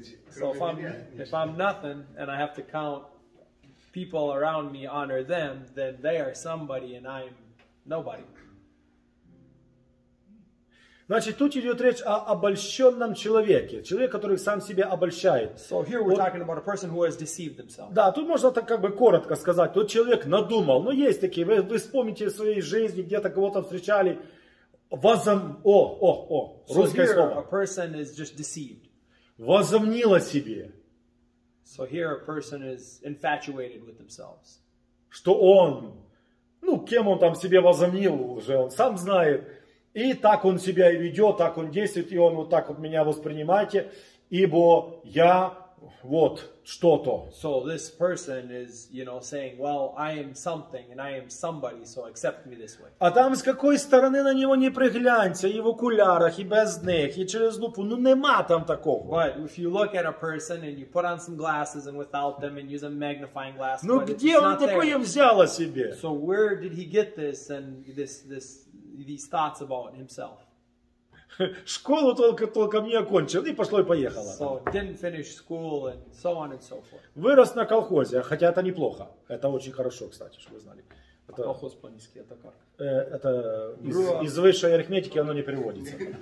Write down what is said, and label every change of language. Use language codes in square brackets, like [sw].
[en] So if I'm nothing and I have to count people around me, honor them, then they are somebody and I'm nobody. [ru] Значит, тут идет речь о обольщенном человеке, человек, который сам себя обольщает. [en] So here we're talking about a person who has deceived themselves. [ru] Да, тут можно так как бы коротко сказать, тот человек надумал. Но есть такие, вы вспомните в своей жизни, где-то кого-то встречали, русское слово. [en] So here a person is just deceived. [ru] Возомнил о себе. [en] So here a person is infatuated with themselves. [ru] Что он, ну, кем он там себе возомнил уже, он сам знает. И так он себя и ведет, так он действует, и он вот так вот меня воспринимайте, ибо я вот что-то. [en] So this person is, you know, saying, well, I am something and I am somebody, so accept me this way. [ru] А там с какой стороны на него не приглянься, и в окулярах, и без них, и через лупу, ну нема там такого. [en] But if you look at a person and you put on some glasses and without them and use a magnifying glass, [ru] ну где он такое взял о себе? [en] So where did he get this and this these thoughts about himself. [ru] Школу только не окончил и пошло и поехало. [en] So didn't finish school and so on and so forth. [ru] Вырос на колхозе, хотя это неплохо. Это очень хорошо, кстати, чтобы вы знали. Это, а колхоз по-низки, это как? Это из высшей арифметики оно не переводится.